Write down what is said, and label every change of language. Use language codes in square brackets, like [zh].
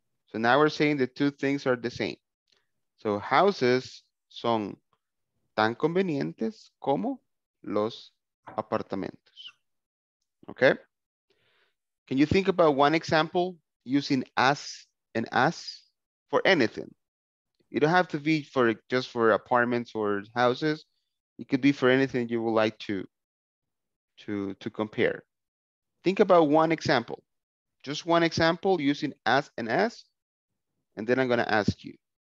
[en] So now we're saying the two things are the same. [es] So houses son tan convenientes como los apartamentos. [en] Okay? Can you think about one example using as and as for anything? You don't have to be for just for apartments or houses. It could be for anything you would like to compare. Think about one example. Just one example using as and as, and then I'm gonna ask you.